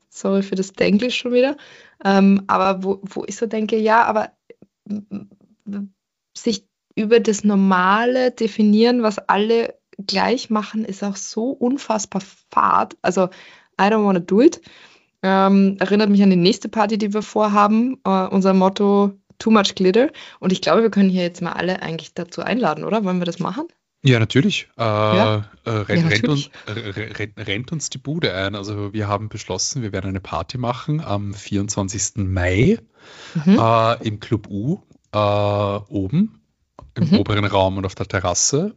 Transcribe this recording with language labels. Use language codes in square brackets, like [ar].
[de] Sorry für das Denglisch schon wieder. Aber wo ich so denke, ja, aber sich über das Normale definieren, was alle gleich machen, ist auch so unfassbar fad. [en] Also, I don't want to do it. [de] Erinnert mich an die nächste Party, die wir vorhaben. Unser Motto: [en] Too much glitter. [de] Und ich glaube, wir können hier jetzt mal alle eigentlich dazu einladen, oder? Wollen wir das machen? Ja, natürlich. Ja? Ja, natürlich. Rennt uns die Bude ein. Also wir haben beschlossen, wir werden eine Party machen am 24. Mai im Club U oben im oberen Raum und auf der Terrasse.